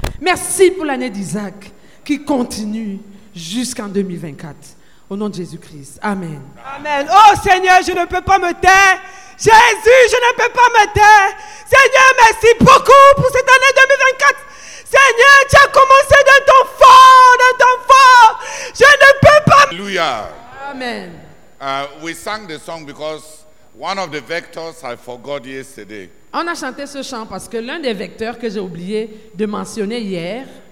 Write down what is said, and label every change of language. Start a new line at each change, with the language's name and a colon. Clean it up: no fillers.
French: Merci pour l'année d'Isaac qui continue jusqu'en 2024. Au nom de Jésus-Christ. Amen. Amen. Oh Seigneur, je ne peux pas me taire. Jésus, je ne peux pas me taire. Seigneur, merci beaucoup pour cette année 2024. Seigneur, tu as commencé d'un temps fort, d'un temps fort. Je ne peux pas. Alléluia. Amen.
English: We sang the song because one of the vectors I forgot yesterday.
French: On a chanté ce chant parce que l'un des vecteurs que j'ai oublié de mentionner hier